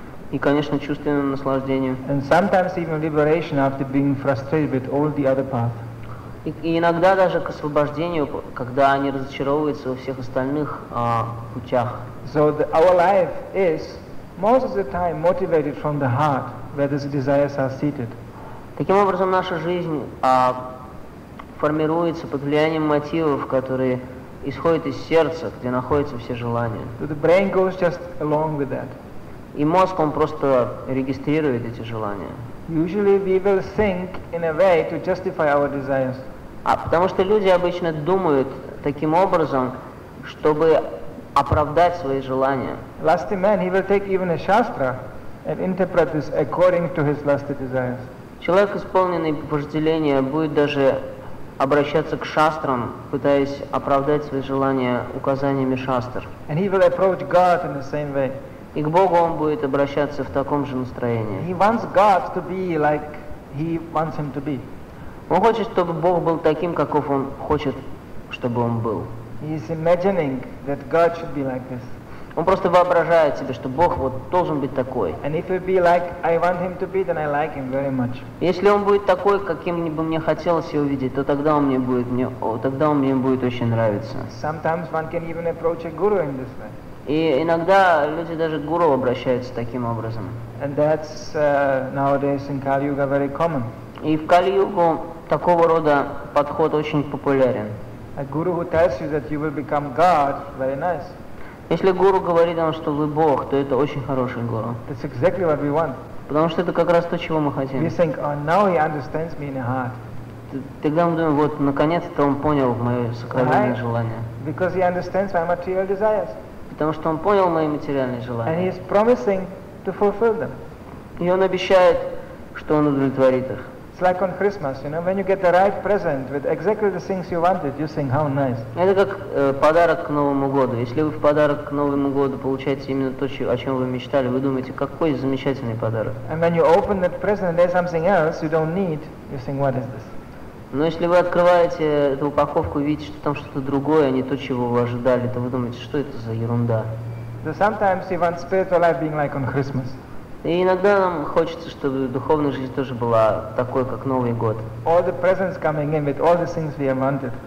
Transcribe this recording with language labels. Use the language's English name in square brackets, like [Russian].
[Russian] И, конечно, чувственному наслаждению. [English] And sometimes even liberation after being frustrated with all the other paths. [Russian] И иногда даже к освобождению, когда они разочаровываются во всех остальных путях. [English] So the, our life is most of the time motivated from the heart, where these desires are seated. [Russian] Таким образом, наша жизнь формируется под влиянием мотивов, которые исходят из сердца, где находятся все желания. [English] So the brain goes just along with that. [Russian] И мозг, он просто регистрирует эти желания. [English] Usually we will think in a way to justify our desires. [Russian] А потому что люди обычно думают таким образом, чтобы оправдать свои желания. [English] Lusty man, he will take even a shastra and interpret this according to his lusty desires. [Russian] Человек, исполненный вожделения, будет даже обращаться к шастрам, пытаясь оправдать свои желания указаниями шастр. [English] And he will approach God in the same way. [Russian] И к Богу он будет обращаться в таком же настроении. [English] He wants God to be like he wants him to be. [Russian] Он хочет, чтобы Бог был таким, каков он хочет, чтобы он был. [English] He is imagining that God should be like this. [Russian] Он просто воображает себе, что Бог вот должен быть такой. [English] And if he be like I want him to be, then I like him very much. [Russian] Если он будет такой, каким бы мне хотелось его видеть, то тогда он мне будет очень нравиться. [English] Sometimes one can even approach a guru in this way. [Russian] И иногда люди даже к гуру обращаются таким образом. [English] And that's nowadays in Kali Yuga very common. [Russian] И в Кали-Югу такого рода подход очень популярен. [English] A guru who tells you that you will become God, very nice. [Russian] Если гуру говорит вам, что вы Бог, то это очень хороший гуру. [English] That's exactly what we want. [Russian] Потому что это как раз то, чего мы хотим. [English] We think, oh, now he understands me in the heart. [Russian] Тогда мы думаем, вот, наконец-то он понял мое сокровенное желание. [English] Because he understands my material desires. [Russian] Потому что он понял мои материальные желания. [English] And he is promising to fulfill them. [Russian] И он обещает, что он удовлетворит их. [English] It's like on Christmas, you know, when you get the right present with exactly the things you wanted, you think, how nice. [Russian] Это как подарок к Новому году. Если вы в подарок к Новому году получаете именно то, о чем вы мечтали, вы думаете, какой замечательный подарок. [English] And when you open that present and there's something else you don't need, you think, what is this? [Russian] Но если вы открываете эту упаковку и видите, что там что-то другое, а не то, чего вы ожидали, то вы думаете, что это за ерунда. [English] So sometimes you want spiritual life being like on Christmas. [Russian] И иногда нам хочется, чтобы духовная жизнь тоже была такой, как Новый год. [English] All the presents coming in with all the things we have wanted.